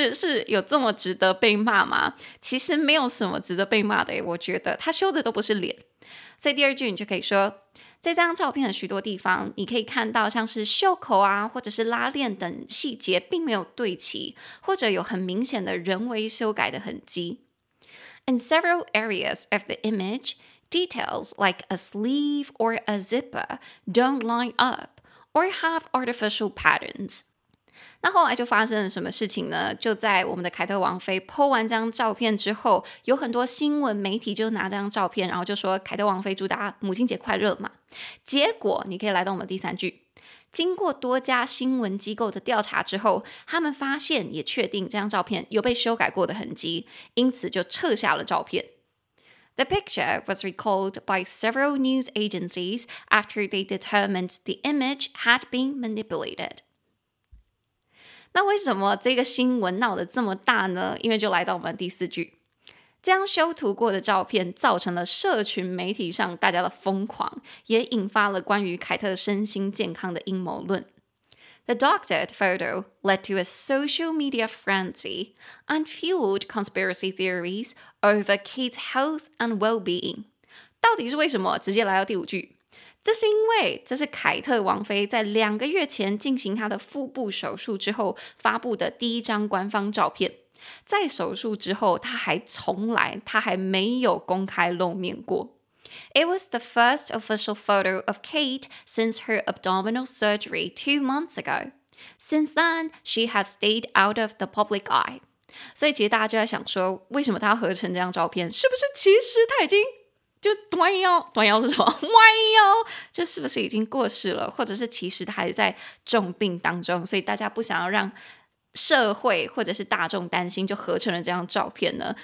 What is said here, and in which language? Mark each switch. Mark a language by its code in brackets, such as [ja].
[zh] 是有这么值得被骂吗？其实没有什么值得被骂的，我觉得她修的都不是脸。所以第二句你就可以说，在这张照片的许多地方，你可以看到像是袖口啊，或者是拉链等细节并没有对齐，或者有很明显的人为修改的痕迹。 [en] In several areas of the image, details like a sleeve or a zipper don't line up or have artificial patterns. [zh] 那后来就发生了什么事情呢？就在我们的凯特王妃 po 完这张照片之后，有很多新闻媒体就拿这张照片，然后就说凯特王妃祝大家母亲节快乐嘛。结果你可以来到我们第三句，经过多家新闻机构的调查之后，他们发现也确定这张照片有被修改过的痕迹，因此就撤下了照片。 [en] The picture was recalled by several news agencies after they determined the image had been manipulated. [zh] 那为什么这个新闻闹得这么大呢？因为就来到我们第四句，这样修图过的照片造成了社群媒体上大家的疯狂，也引发了关于凯特身心健康的阴谋论。 [en] The doctored photo led to a social media frenzy and fueled conspiracy theories over Kate's health and well-being. [zh] 到底是为什么？直接来到第五句，这是因为这是凯特王妃在两个月前进行她的腹部手术之后发布的第一张官方照片，在手术之后他还从来他还没有公开露面过。 [en] It was the first official photo of Kate since her abdominal surgery 2 months ago. Since then, she has stayed out of the public eye. [zh] 所以其实大家就在想说，为什么他要合成这张照片，是不是其实他已经就弯腰，弯腰是什么？弯腰就是不是已经过世了，或者是其实他还在重病当中，所以大家不想要让社会或者是大众担心，就合成了这张照片呢？